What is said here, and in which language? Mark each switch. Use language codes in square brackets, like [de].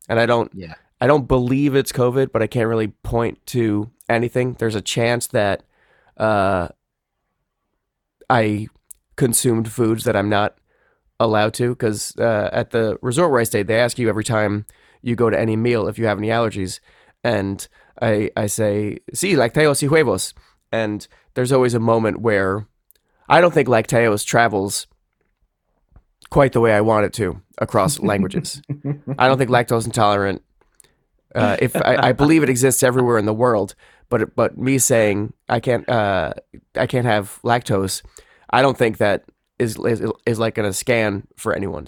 [en] And I don't believe it's COVID, but I can't really point to anything. There's a chance that, I consumed foods that I'm not allowed to, because at the resort where I stayed, they ask you every time you go to any meal if you have any allergies. And I say, [es] sí, lácteos y huevos. [en] And there's always a moment where I don't think lácteos travels quite the way I want it to across languages. I don't think lactose intolerant, if I believe it exists everywhere in the world. But me saying I can't have lactose, I don't think that is like gonna scan for anyone.